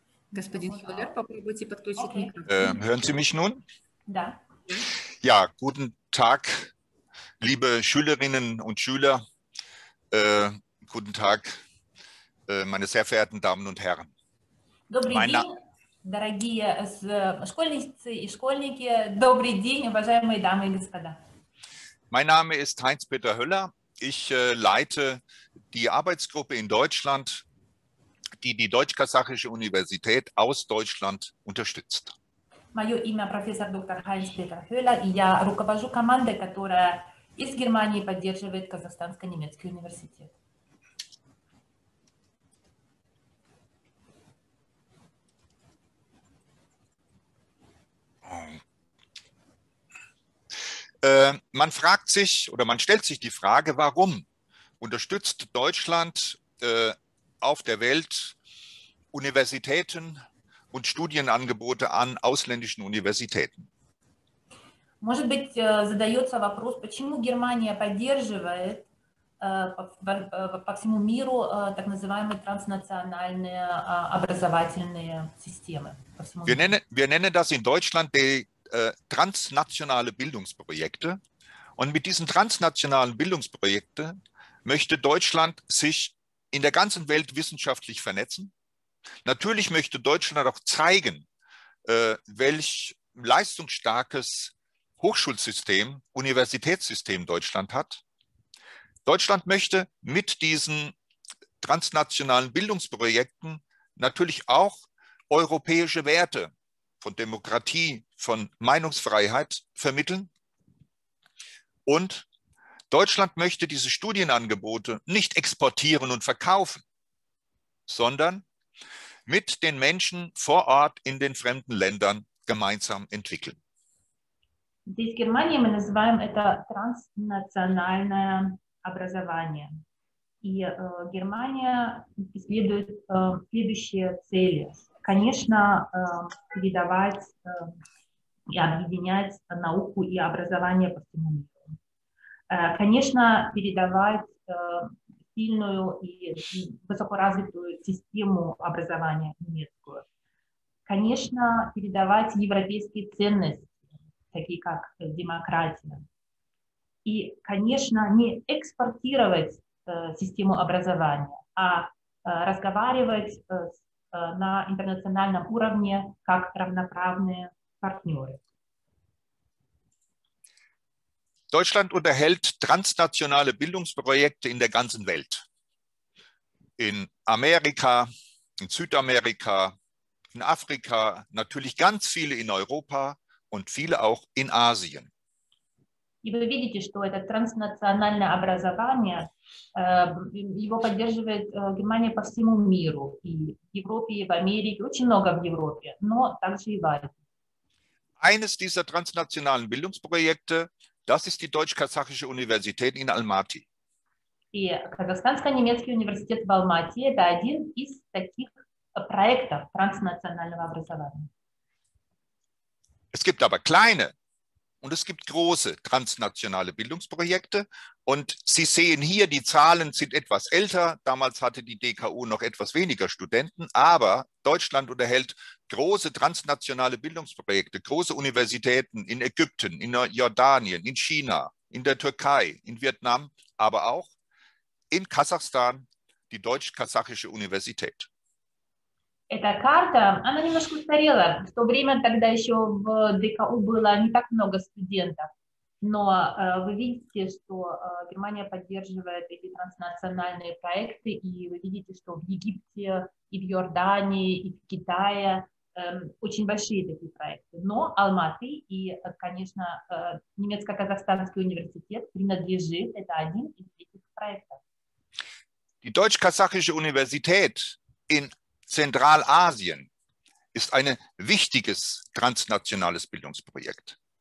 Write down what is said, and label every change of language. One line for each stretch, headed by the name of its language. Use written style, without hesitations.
Russian: Господин Хёллер, попробуйте подключить микрофон.
German: Hören Sie mich nun?
Russian: Да.
German: Ja, guten Tag, liebe Schülerinnen und Schüler. Guten Tag, meine sehr verehrten Damen und Herren.
Russian: Добрый день, дорогие школьницы и школьники. Добрый день, уважаемые дамы и господа.
German: Mein Name ist Heinz-Peter Höller. Ich leite die Arbeitsgruppe in Deutschland, die die Deutsch-Kasachische Universität aus Deutschland unterstützt.
Russian: Мое имя профессор доктор Хайнс-Петер Хёллер, и я руковожу командой, которая из Германии поддерживает Казахстанско-немецкий университет.
German: Man fragt sich oder man stellt sich die Frage, warum unterstützt Deutschland auf der Welt Universitäten und Studienangebote an ausländischen Universitäten?
Russian: Может быть, задается вопрос, почему Германия поддерживает по всему миру так называемые транснациональные образовательные системы?
German: Wir nennen das in Deutschland die transnationale Bildungsprojekte. Und mit diesen transnationalen Bildungsprojekten möchte Deutschland sich in der ganzen Welt wissenschaftlich vernetzen. Natürlich möchte Deutschland auch zeigen, welch leistungsstarkes Hochschulsystem, Universitätssystem Deutschland hat. Deutschland möchte mit diesen transnationalen Bildungsprojekten natürlich auch europäische Werte von Demokratie, von Meinungsfreiheit vermitteln. Und Deutschland möchte diese Studienangebote nicht exportieren und verkaufen, sondern mit den Menschen vor Ort in den fremden Ländern gemeinsam entwickeln.
Russian: Здесь в Германии мы называем это транснациональное образование. И Германия исследует следующие цели. Конечно, передавать и объединять науку и образование по всему миру. Конечно, передавать сильную и высокоразвитую систему образования немецкую. Конечно, передавать европейские ценности, такие как демократия. И, конечно, не экспортировать систему образования, а разговаривать на интернациональном уровне как равноправные партнеры.
German: Deutschland unterhält transnationale Bildungsprojekte in der ganzen Welt. In Amerika, in Südamerika, in Afrika, natürlich ganz viele in Europa. Und viele auch in Asien.
Russian: И вы видите, что это транснациональное образование, его поддерживает Германия по всему миру, и в Европе, и в Америке, очень много в Европе, но также и в Азии.
German: Eines dieser transnationalen Bildungsprojekte, das ist die Deutsch-Kasachische Universität in Almaty.
Russian: И Казахстанско-немецкий университет в Алмате – это один из таких проектов транснационального образования.
German: Es gibt aber kleine und es gibt große transnationale Bildungsprojekte. Und Sie sehen hier, die Zahlen sind etwas älter. Damals hatte die DKU noch etwas weniger Studenten. Aber Deutschland unterhält große transnationale Bildungsprojekte, große Universitäten in Ägypten, in Jordanien, in China, in der Türkei, in Vietnam, aber auch in Kasachstan, die Deutsch-Kasachische Universität.
Russian: Эта карта, она немножко устарела. В то время тогда еще в ДКУ было не так много студентов. Но вы видите, что Германия поддерживает эти транснациональные проекты. И вы видите, что в Египте, и в Йордании, и в Китае очень большие такие проекты. Но Алматы и, конечно, немецко-казахстанский университет принадлежит. Это один из этих проектов.
German: Die Deutsch-Kasachische Universität in Zentralasien ist ein wichtiges transnationales Bildungsprojekt.